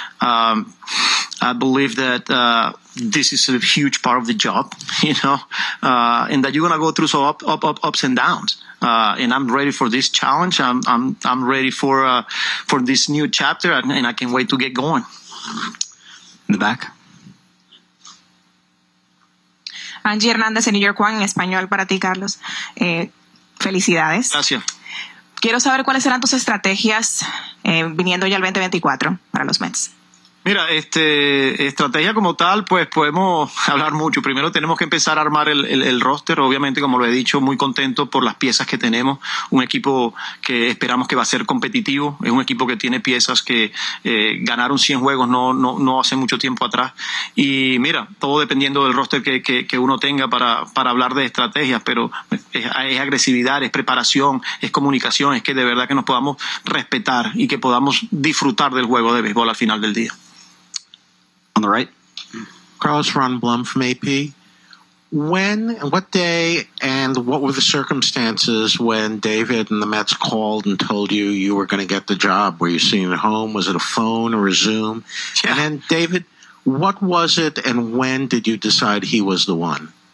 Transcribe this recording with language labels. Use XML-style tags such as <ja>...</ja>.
<en>I believe that this is a huge part of the job, you know, and that you're going to go through some ups and downs. And I'm ready for this challenge. I'm ready for this new chapter, and I can't wait to get going. In the back.</en> <es>Angie Hernandez, en New York One, en español para ti, Carlos. Felicidades. Gracias. quiero saber cuáles serán tus estrategias viniendo ya al 2024 para los Mets. Mira, estrategia como tal, pues podemos hablar mucho. Primero tenemos que empezar a armar el roster. Obviamente, como lo he dicho, muy contento por las piezas que tenemos. Un equipo que esperamos que va a ser competitivo. Es un equipo que tiene piezas que ganaron 100 juegos no hace mucho tiempo atrás. Y mira, todo dependiendo del roster que uno tenga para hablar de estrategias. Pero es agresividad, es preparación, es comunicación. Es que de verdad que nos podamos respetar y que podamos disfrutar del juego de béisbol al final del día.</es> <en>On the right. Carlos, Ron Blum from AP. When and what day and what were the circumstances when David and the Mets called and told you you were going to get the job? Were you sitting at home? Was it a phone or a Zoom? Yeah. And then David, what was it and when did you decide he was the one?</en>